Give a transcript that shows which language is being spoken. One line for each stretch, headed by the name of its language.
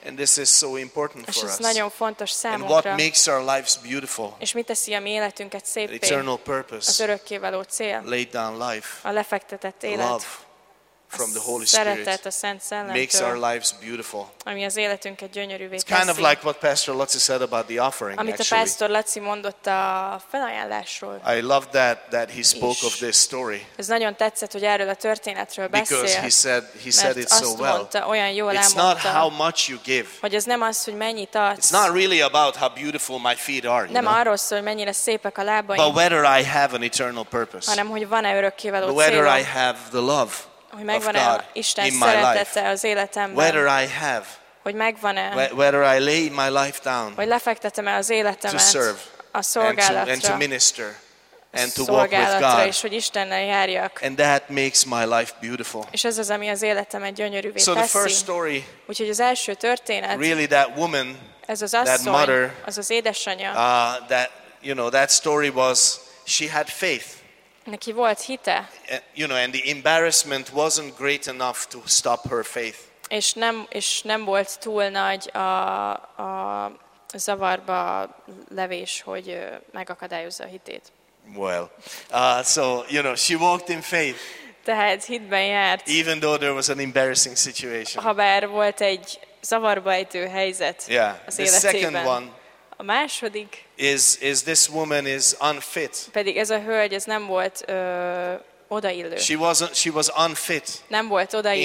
English: And this is so important
Hungarian: és
English: for
Hungarian: ez
English: us.
Hungarian: Nagyon fontos számunkra.
English: And what makes our lives beautiful?
Hungarian: És mit teszi a mi életünket szépé?
English: The eternal purpose.
Hungarian: Az örökkévaló cél.
English: Laid down life.
Hungarian: A lefektetett élet.
English: Love from the Holy Spirit.
Hungarian: Szeretet a Szent Szellemtől.
English: Makes our lives beautiful.
Hungarian: Ami az életünket gyönyörűvé teszi.
English: It's kind of like what Pastor Laci said about the offering,
Hungarian: amit
English: actually.
Hungarian: Amit a Pastor Laci mondott a felajánlásról.
English: I love that he spoke of this story.
Hungarian: Ez nagyon tetszett, hogy erről a történetről beszél.
English: Because he said it so well.
Hungarian: Mert azt mondta, olyan jól elmondta.
English: It's not how much you give.
Hungarian: Hogy ez nem az, hogy mennyit adsz.
English: It's not really about how beautiful my feet are.
Hungarian: Nem arról szól, hogy mennyire szépek a lábaim.
English: But whether I have an eternal purpose.
Hungarian: Hanem, hogy van-e örökkévaló célom.
English: Whether I have the love.
Hungarian: Hogy megvan-e Isten szeretete az életemben.
English: Whether I have,
Hungarian: hogy megvan-e.
English: Whether I lay my life down,
Hungarian: hogy lefektetem-e az életemet.
English: To serve,
Hungarian: a szolgálatra.
English: And to minister. And to walk with God.
Hungarian: És hogy Istennel járjak.
English: And that makes my life beautiful.
Hungarian: És ez az, ami az életemet gyönyörűvé teszi.
English: So the first story,
Hungarian: úgyhogy az első történet,
English: really that woman,
Hungarian: ez az asszony,
English: that mother,
Hungarian: az az édesanyja,
English: that, you know, that story was, she had faith.
Hungarian: Neki volt hite.
English: You know, and the embarrassment wasn't great enough to stop her faith.
Hungarian: És nem volt túl nagy a zavarba levés, hogy megakadályozza a hitét.
English: Well, so you know, she walked in faith.
Hungarian: Tehát hitben járt.
English: Even though there was an embarrassing situation.
Hungarian: Habár volt egy zavarba ejtő helyzet.
English: Yeah.
Hungarian: Az életében.
English: Second one.
Hungarian: A második.
English: Is this woman is unfit.
Hungarian: Pedig ez a hölgy ez nem volt odaillő.
English: She was unfit.
Hungarian: Nem volt odaillő.